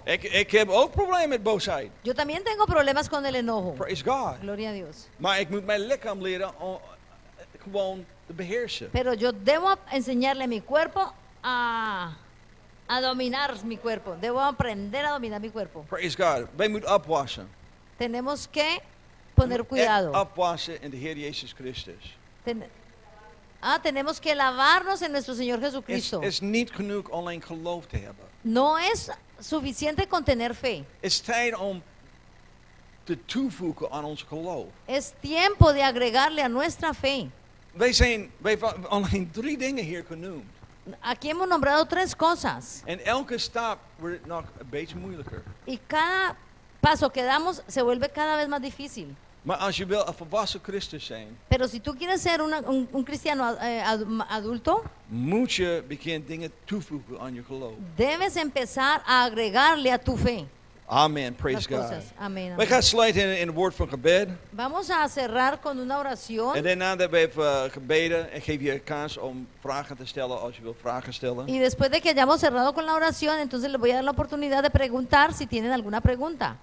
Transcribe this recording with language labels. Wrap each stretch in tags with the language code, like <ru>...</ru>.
<nl>Ik heb ook problemen met boosheid.</nl> <es>Yo también tengo problemas con el enojo.</es> <en>Praise God.</en> <es>Gloria a Dios.</es> <nl>Maar ik moet mijn lichaam leren gewoon te beheersen.</nl> <es>Pero yo debo enseñarle a mi cuerpo a dominar mi cuerpo. Debo aprender a dominar mi cuerpo.</es> <en>Praise God.</en> <nl>Wij moeten opwassen.</nl> <es>Tenemos que poner cuidado.</es> <nl>Opwassen in de Heer Jezus Christus.</nl> <es>Tenemos que lavarnos en nuestro Señor Jesucristo.</es> <nl>Es niet genoeg alleen geloof te hebben.</nl> <es>No es suficiente con tener fe.</es> <nl>Es tijd om te toevoegen aan ons geloof.</nl> <es>Es tiempo de agregarle a nuestra fe.</es> <nl>Wij alleen 3 dingen hier genoemd.</nl> <es>Aquí hemos nombrado 3 cosas.</es> <nl>En elke stap wordt het nog een beetje moeilijker.</nl> <es>Y cada paso que damos se vuelve cada vez más difícil.</es> <nl>Maar als je wil een volwassen Christus zijn.</nl> <es>Pero si tú quieres ser un cristiano adulto.</es> <nl>Moet je beginnen dingen toevoegen aan je geloof.</nl> <es>Debes empezar a agregarle a tu fe.</es> <en>Amen. Praise God. Amen.</en> <nl>We gaan sluiten in het woord van gebed.</nl> <es>Vamos a cerrar con una oración.</es> <nl>En daarna dat we hebben gebeden. En geef je kans om vragen te stellen als je wilt vragen stellen.</nl> <es>Y después de que hayamos cerrado con la oración. Entonces les voy a dar la oportunidad de preguntar si tienen alguna pregunta.</es>